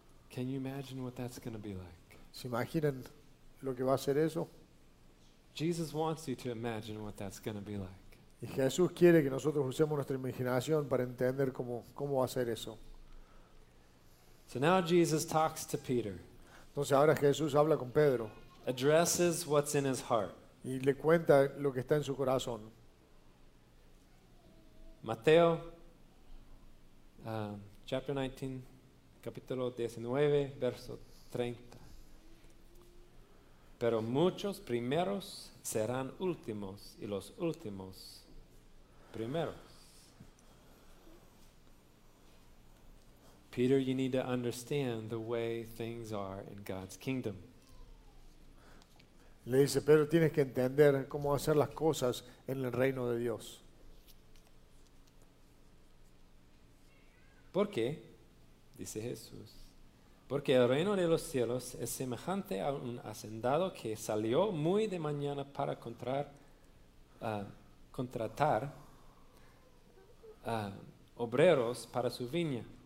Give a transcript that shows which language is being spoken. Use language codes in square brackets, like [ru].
[en] Can you imagine what that's going to be like? [es] ¿Se imaginan lo que va a ser eso? [en] Jesus wants you to imagine what that's going to be like. [es] Y Jesús quiere que nosotros usemos nuestra imaginación para entender cómo va a ser eso. [en] So now Jesus talks to Peter. [es] Entonces ahora Jesús habla con Pedro. [en] Addresses what's in his heart. [es] Y le cuenta lo que está en su corazón. [en] Mateo, chapter 19. [es] Capítulo 19, verso 30. Pero muchos primeros serán últimos, y los últimos primeros. [en] Peter, you need to understand the way things are in God's kingdom. [es] Le dice, Pedro, tienes que entender cómo hacer las cosas en el reino de Dios. ¿Por qué? Dice Jesús, porque el reino de los cielos es semejante a un hacendado que salió muy de mañana para contratar obreros para su viña.